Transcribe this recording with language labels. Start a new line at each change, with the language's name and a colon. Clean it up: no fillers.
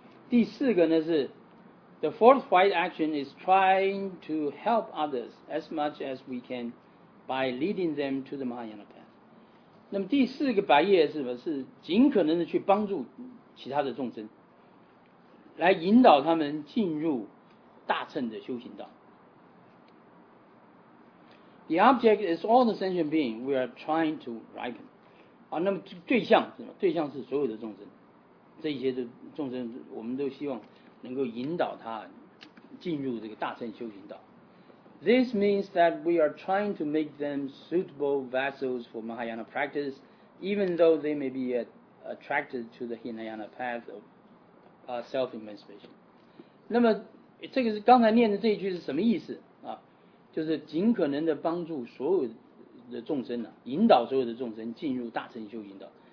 Chinese: 第四个呢是
English: The fourth white action is trying to help others as much as we can by leading them to the Mahayana path.
Chinese: 那么第四个白业是什么？是尽可能的去帮助其他的众生，来引导他们进入大乘的修行道。
English: The object is all the sentient being we are trying to ripen.
Chinese: 啊，那么对象是什么？对象是所有的众生，这些的众生我们都希望能够引导他进入这个大乘修行道。
English: This means that we are trying to make them suitable vessels for Mahayana practice, even though they may be attracted to the Hinayana path ofself-emancipation.
Chinese: 那么这个是刚才念的这一句是什么意思啊？就是尽可能的帮助所有的众生，啊，引导所有的众生进入大乘修行道。